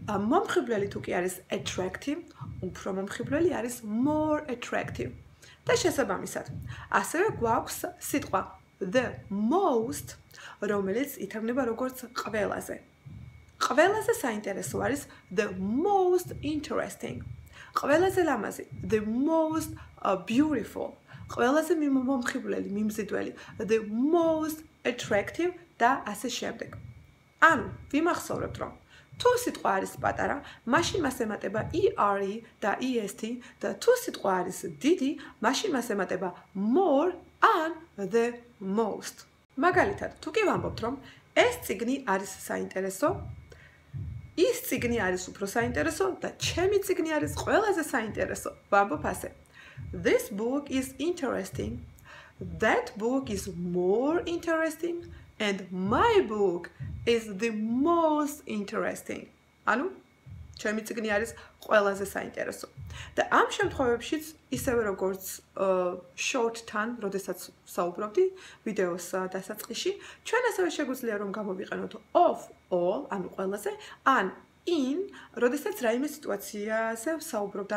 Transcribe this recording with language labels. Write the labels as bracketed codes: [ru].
[ka] მომხიბვლელი თუ კი არის attractive, უფრო მომხიბვლელი არის [en] more attractive. [ka] და შესაბამისად, ასევე გვაქვს სიტყვა [en] the most, [ka] რომელიც ითარგმნება როგორც ყველაზე. ყველაზე საინტერესო არის [en] the most interesting. [ka] ყველაზე ლამაზი [en] the most beautiful. [ka] ყველაზე მომხიბვლელი, მიმზიდველი [en] the most attractive [ka] და ასე შემდეგ. ანუ ვიმახსოვრებთ, რომ თუ სიტყვა არის პატარა, მაშინ მას ემატება ER და EST, და თუ სიტყვა არის დიდი, მაშინ მას ემატება [en] more and the most. [ka] მაგალითად, თუ კი ვამბობთ, რომ ეს ციგნი არის საინტერესო, ის ციგნი არის უფრო საინტერესო და ჩემი ციგნი არის ყველაზე საინტერესო, ვამბობ ასე. [en] This book is interesting. That book is more interesting. And my book is the most interesting. [ka] ანუ ჩემი ციგნი არის ყველაზე საინტერესო. და ამ შემთხვევებშიც ისევე როგორც short-თან, როდესაც საუბრობდი ვიდეოს დასაწყისში, ჩვენ ასევე შეგვიძლია რომ გამოვიყენოთ [en] of all, [ka] ანუ ყველაზე, ან in, როდესაც რაიმე სიტუაციაზე საუბრობთ.